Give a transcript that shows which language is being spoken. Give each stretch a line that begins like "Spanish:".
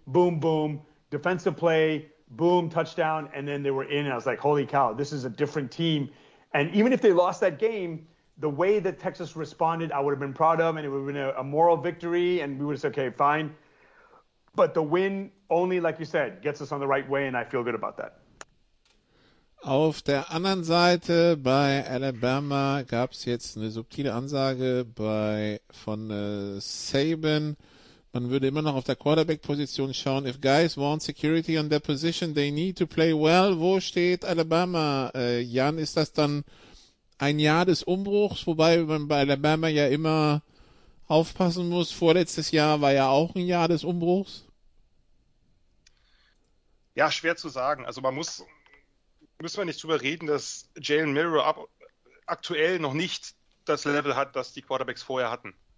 English: Boom, boom, defensive play, boom, touchdown, and then they were in. And I was like, holy cow, this is a different team. And even if they lost that game, the way that Texas responded, I would have been proud of, and it would have been a moral victory, and we would have said, okay, fine. But the win only, like you said, gets us on the right way, and I feel good about that.
German: Auf der anderen Seite bei Alabama gab es jetzt eine subtile Ansage von Saban. Man würde immer noch auf der Quarterback-Position schauen.
English: If guys want security on their position, they need to play well.
German: Wo steht Alabama? Jan, ist das dann ein Jahr des Umbruchs, wobei man bei Alabama ja immer aufpassen muss. Vorletztes Jahr war ja auch ein Jahr des Umbruchs. Ja, schwer zu sagen. Also müssen wir nicht drüber reden, dass Jalen Milroe aktuell noch nicht das Level hat, das die Quarterbacks vorher hatten.